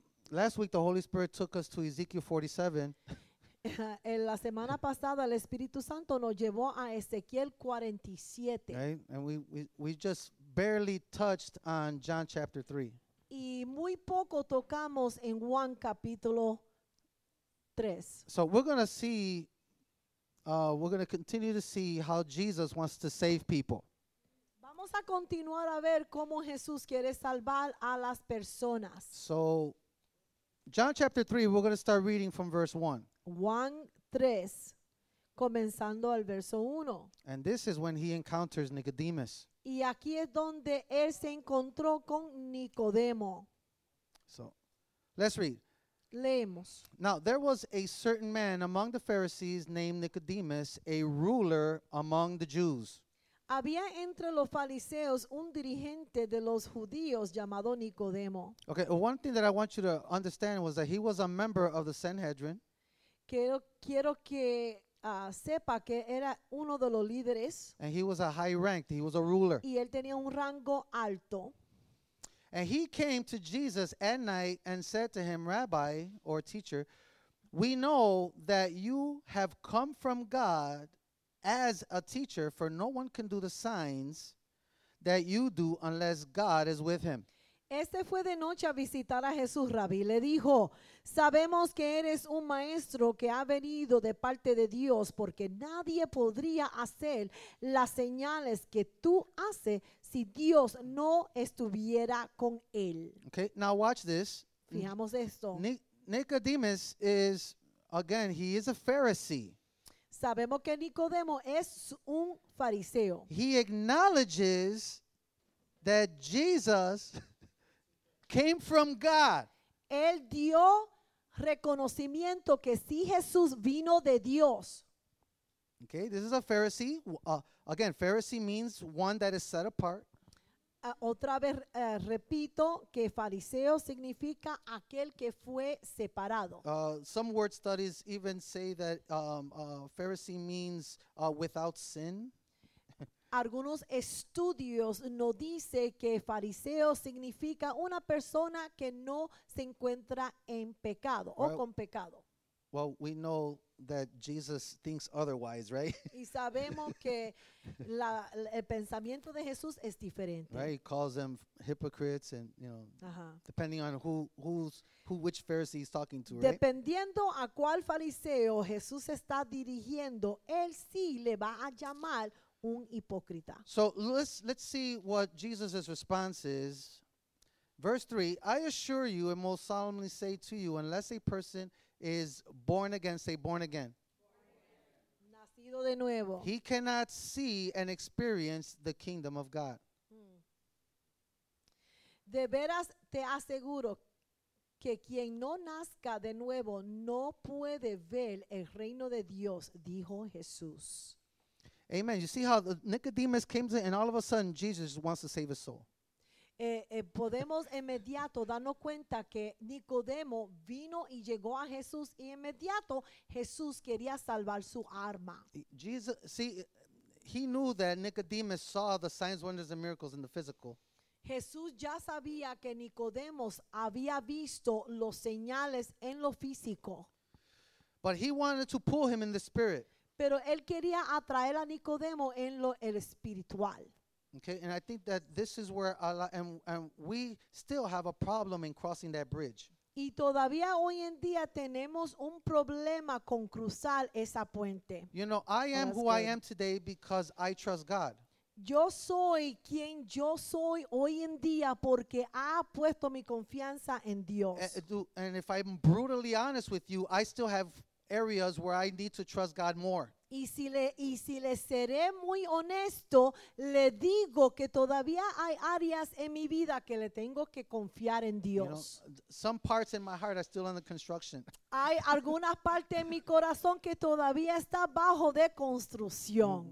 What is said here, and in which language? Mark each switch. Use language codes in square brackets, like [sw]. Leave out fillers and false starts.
[en] Last week the Holy Spirit took us to Ezekiel 47. [es] En la semana pasada el Espíritu Santo nos llevó a Ezequiel 47. [en] Right? And we just barely touched on John chapter 3. [es] Y muy poco tocamos en Juan capítulo 3. [en] So we're going to see we're going to continue to see how Jesus wants to save people. [es] Vamos a continuar a ver cómo Jesús quiere salvar a las personas. [en] So John chapter 3, we're going to start reading from verse 1. [es] Juan 3, comenzando al verso 1. [en] And this is when he encounters Nicodemus. [es] Y aquí es donde él se encontró con Nicodemo. [en] So, let's read. [es] Leemos. [en] Now, there was a certain man among the Pharisees named Nicodemus, a ruler among the Jews. [es] Había entre los fariseos un dirigente de los judíos llamado Nicodemo. [en] Okay, one thing that I want you to understand was that he was a member of the Sanhedrin. [es] Quiero que sepa que era uno de los líderes. [en] And he was a high rank. He was a ruler. [es] Y él tenía un rango alto. [en] And he came to Jesus at night and said to him, Rabbi, or teacher, we know that you have come from God as a teacher, for no one can do the signs that you do unless God is with him. [es] Este fue de noche a visitar a Jesús, Rabí. Le dijo, sabemos que eres un maestro que ha venido de parte de Dios, porque nadie podría hacer las señales que tú haces si Dios no estuviera con él. [en] Okay, now watch this. [es] Fijamos esto. [en] Nicodemus is, again, he is a Pharisee. [es] Sabemos que Nicodemo es un fariseo. [en] He acknowledges that Jesus came from God. [es] Él dio reconocimiento que sí, Jesús vino de Dios. [en] Okay, this is a Pharisee. Again, Pharisee means one that is set apart. [es] Otra vez repito que fariseo significa aquel que fue separado. [en] Some word studies even say that Pharisee means without sin. [es] Algunos estudios nos dice que fariseo significa una persona que no se encuentra en pecado, right, o con pecado. [en] Well, we know that Jesus thinks otherwise, right? [es] Y sabemos que el pensamiento de Jesús es diferente. [en] Right, he calls them hypocrites and, you know, depending on which Pharisee he's talking to, right? [es] Dependiendo a cuál fariseo Jesús está dirigiendo, él sí le va a llamar un hipócrita. [en] So let's see what Jesus' response is. Verse 3, I assure you and most solemnly say to you, unless a person is born again, say born again. [es] Nacido de nuevo. [en] He cannot see and experience the kingdom of God. [es] De veras te aseguro que quien no nazca de nuevo no puede ver el reino de Dios, dijo Jesús. [en] Amen. You see how Nicodemus came to, and all of a sudden Jesus wants to save his soul. [es] Podemos inmediato darnos cuenta que Nicodemo vino y llegó a Jesús y inmediato Jesús quería salvar su alma. [en] Jesus, see, he knew that Nicodemus saw the signs, wonders, and miracles in the physical. [es] Jesús ya sabía que Nicodemos había visto los señales en lo físico. [en] But he wanted to pull him in the spirit. [es] Pero él quería atraer a Nicodemo en lo espiritual. [en] Okay, and I think that this is where and we still have a problem in crossing that bridge. [es] Y todavía hoy en día tenemos un problema con cruzar esa puente. [en] You know, I am who I am today because I trust God. [es] Yo soy quien yo soy hoy en día porque ha puesto mi confianza en Dios. [en] And if I'm brutally honest with you, I still have areas where I need to trust God more. [es] Y si le seré muy honesto, le digo que todavía hay áreas en mi vida que le tengo que confiar en Dios. [en] You know, some parts in my heart are still under construction. [es] Hay algunas partes en mi corazón que todavía está bajo de construcción.